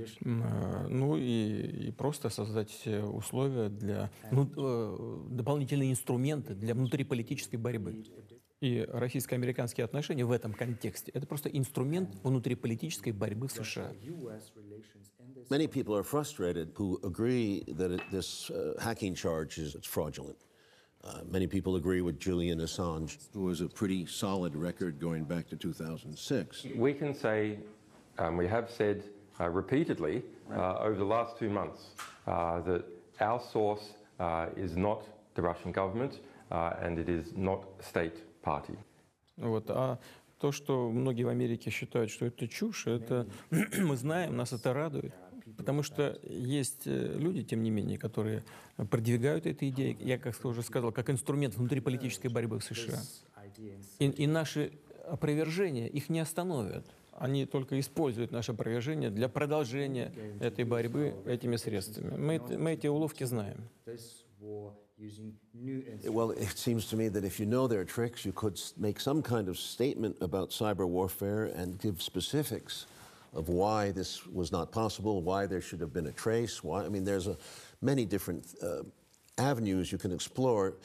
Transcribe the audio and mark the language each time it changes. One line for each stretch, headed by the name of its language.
Russian: Ну и просто создать условия для дополнительные инструменты для внутриполитической борьбы. И российско-американские отношения в этом контексте — это просто инструмент внутриполитической борьбы в США.
English: Many people are frustrated who agree that this hacking charge is fraudulent. Many people agree with Julian Assange, who has a pretty solid record going back to 2006. We can say, we have said repeatedly over the last two months that our source is not the Russian government and it is not state.
Russian: Вот. А то, что многие в Америке считают, что это чушь, это мы знаем, нас это радует. Потому что есть люди, тем не менее, которые продвигают эту идею, я как уже сказал, как инструмент внутриполитической борьбы в США. И наши опровержения их не остановят. Они только используют наше опровержение для продолжения этой борьбы этими средствами. Мы эти уловки знаем.
English: Well, it seems to me that if you know their tricks, you could make some kind of statement about cyber warfare and give specifics of why this was not possible, why there should have been a trace. Why? I mean, there's many different avenues you can explore.